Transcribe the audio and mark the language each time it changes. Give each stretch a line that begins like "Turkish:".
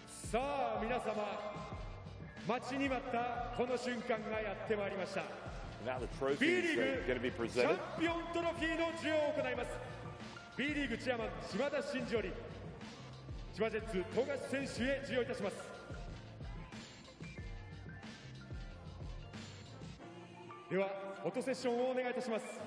Japanese: さあ皆様、待ちに待ったこの瞬間がやってまいりました。
English: Now the trophy is going to be presented.
Japanese: B リーグチャンピオントロフィーの授与を行います。B リーグチェアマン島田慎二より千葉ジェッツ富樫選手へ授与いたします。ではフォトセッションをお願いいたします。